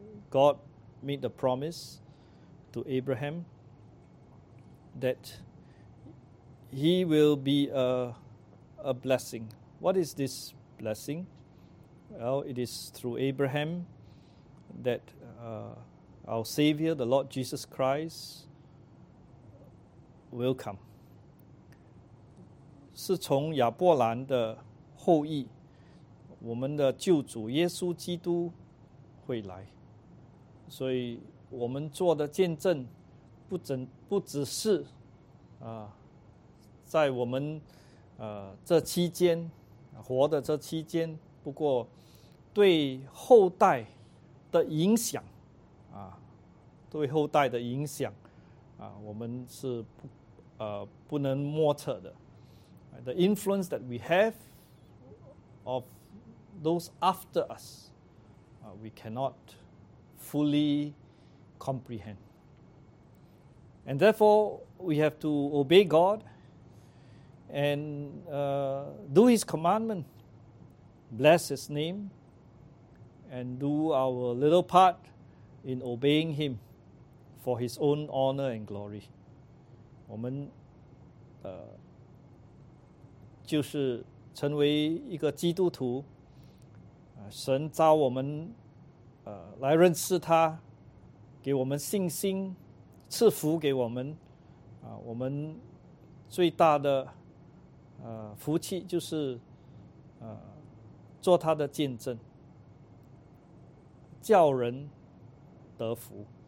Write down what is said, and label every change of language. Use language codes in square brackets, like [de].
[en] God made the promise to Abraham that he will be a blessing. What is this blessing? Well, it is through Abraham that our Savior, the Lord Jesus Christ, will come. [zh] 是从亚伯兰的后裔，我们的救主耶稣基督会来。所以我们做的见证不只是在我们这期间活的这期间，不过对后代的影响对后代的影响我们是不能莫测的。 [en] The influence that we have of those after us we cannot fully comprehend. And therefore, we have to obey God and do His commandment, bless His name, and do our little part in obeying Him for His own honor and glory. [zh] 我们就是成为一个基督徒，神召我们来认识他，给我们信心，赐福给我们我们最大的福气就是做他的见证，叫人得福。